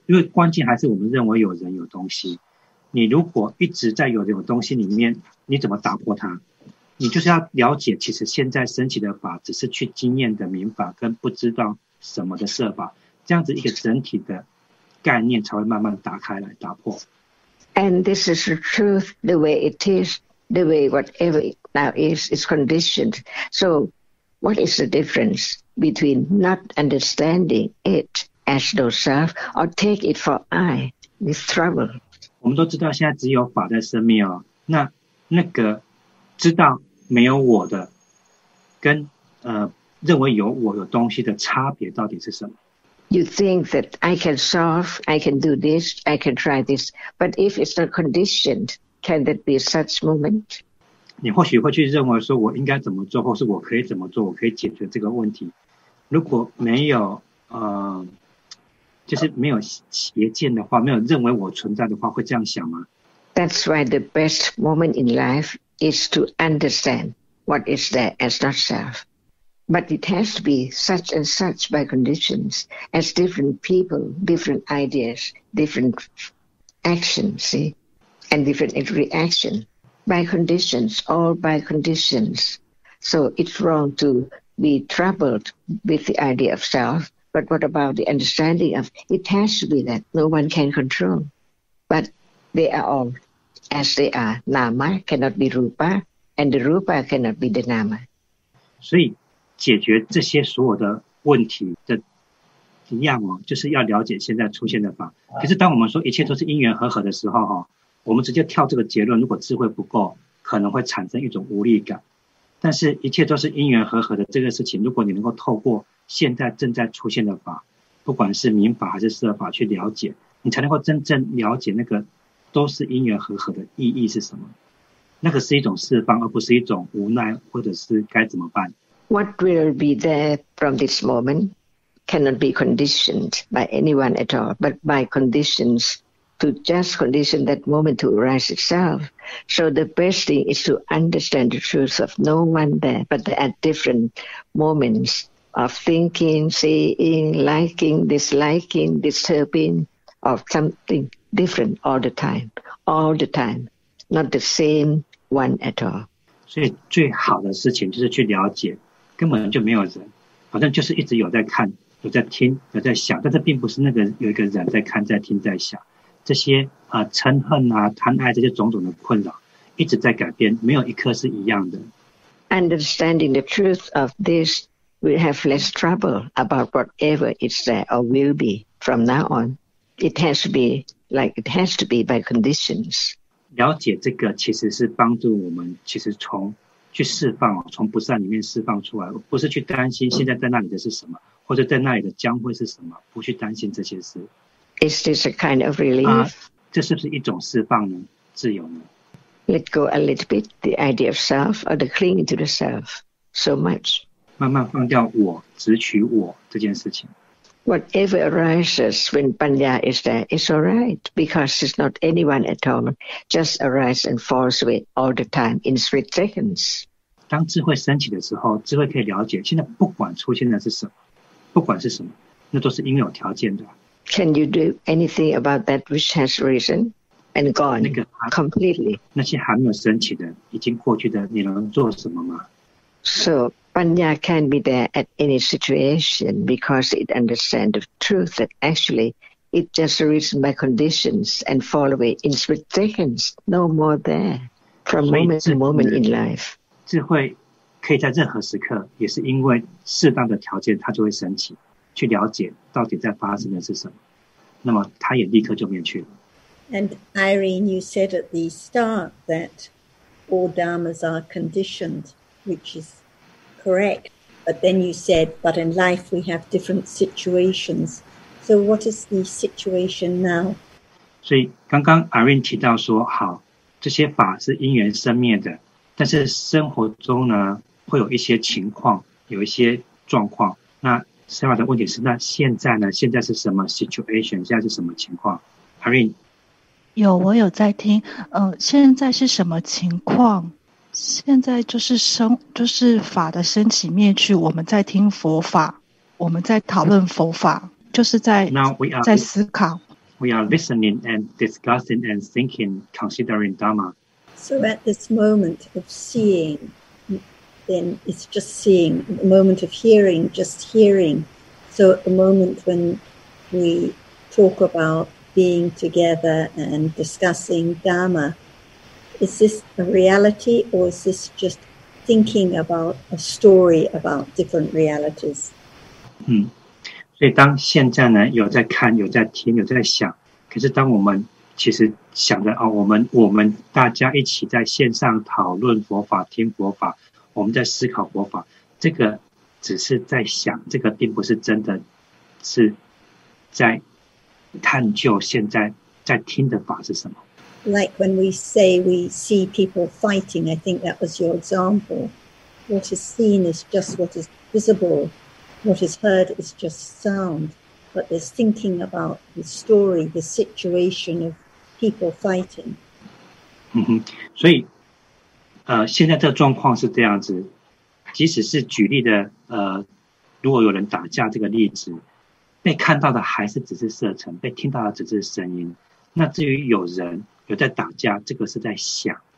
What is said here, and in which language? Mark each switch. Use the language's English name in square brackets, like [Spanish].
[Chinese] 因为关键还是我们认为有人有东西，你如果一直在有这种东西里面，你怎么打破它？你就是要了解，其实现在升起的法只是去经验的明法跟不知道什么的设法，这样子一个整体的概念才会慢慢打开来打破。 [English] And this is the truth, the way it is, the way whatever it now is conditioned. So, what is the difference between not understanding it as no self or take it for I with trouble? [Chinese] 我们都知道现在只有法在生命哦，那个知道没有我的跟认为有我有东西的差别到底是什么？ [English] You think that I can solve, I can do this, I can try this, but if it's not conditioned, can that be such moment? [Chinese] 你或许会去认为说我应该怎么做，或是我可以怎么做，我可以解决这个问题。如果没有就是没有邪见的话，没有认为我存在的话，会这样想吗？ [English] That's why the best moment in life is to understand what is there as not self. But it has to be such and such by conditions, as different people, different ideas, different actions, see? And different reaction. By conditions, all by conditions. So it's wrong to be troubled with the idea of self. But what about the understanding of it has to be that no one can control? But they are all as they are. Nama cannot be Rupa, and the Rupa cannot be the Nama. [Chinese] 所以解决这些所有的问题的一样哦，就是要了解现在出现的法。可是当我们说一切都是因缘和合的时候哦，我们直接跳这个结论，如果智慧不够，可能会产生一种无力感。但是一切都是因缘和合的这个事情，如果你能够透过现在正在出现的法，不管是明法还是设法去了解，你才能够真正了解那个都是因缘和合的意义是什么。那个是一种释放，而不是一种无奈或者是该怎么办。 [English] What will be there from this moment cannot be conditioned by anyone at all, but by conditions to just condition that moment to arise itself. So the best thing is to understand the truth of no one there, but at different moments of thinking, seeing, liking, disturbing of something different all the time, not the same one at all. [Chinese] 所以最好的事情就是去了解根本就没有人，好像就是一直有在看，有在听，有在想，但是并不是那个有一个人在看，在听，在想。这些嗔恨啊，贪爱，这些种种的困扰一直在改变，没有一颗是一样的。 [English] Understanding the truth of this will have less trouble about whatever is there or will be from now on. It has to be like it has to be by conditions. [Chinese] 了解这个其实是帮助我们，其实从去释放，从不善里面释放出来，不是去担心现在在那里的是什么，或者在那里的将会是什么，不去担心这些事。 [English] Is this a kind of relief? [Chinese] 这是不是一种释放呢？自由呢？ [English] Let go a little bit the idea of self or the clinging to the self so much. [Chinese] 慢慢放掉我，只取我这件事情。 [English] Whatever arises when Panya is there, it's all right because it's not anyone at all. Just arise and falls away all the time in 3 seconds. [Chinese] 当智慧升起的时候，智慧可以了解，现在不管出现的是什么，不管是什么，那都是因有条件的。 [English] Can you do anything about that which has risen and gone completely? [Chinese] 那些还没有升起的，已经过去的，你能做什么吗？ [English] So, Panya can be there at any situation because it understands the truth that actually it just arisen by conditions and fall away in 3 seconds, no more there from moment to moment in life. [Chinese] 智慧可以在任何时刻，也是因为适当的条件，它就会升起，去了解到底在发生的是什么，那么它也立刻就灭去了。 [English] And Irene, you said at the start that all dharmas are conditioned. Which is correct, but then you said, but in life we have different situations. So what is the situation now? [Chinese] 所以刚刚 Irene 提到说，好，这些法是因缘生灭的，但是生活中呢，会有一些情况，有一些状况。那 Sarah 的问题是，那现在呢？现在是什么 situation？ 现在是什么情况？Irene，有，我有在听。现在是什么情况？现在就是生，就是法的升起灭去。我们在听佛法，我们在讨论佛法，就是在 在思考。 [English] We are listening and discussing and thinking, considering Dharma. So at this moment of seeing, then it's just seeing. The moment of hearing, just hearing. So at the moment when we talk about being together and discussing Dharma. Is this a reality or is this just thinking about a story about different realities? [Chinese] 所以当现在呢，有在看，有在听，有在想，可是当我们其实想的，我们大家一起在线上讨论佛法，听佛法，我们在思考佛法，这个只是在想，这个并不是真的是在探究现在在听的法是什么。 [English] Like when we say we see people fighting, I think that was your example. What is seen is just what is visible. What is heard is just sound. But there's thinking about the story, the situation of people fighting. [Chinese] 所以现在这个状况是这样子。即使是举例的如果有人打架这个例子，被看到的还是只是色尘，被听到的只是声音。那至于有人有在打架，这个是在想。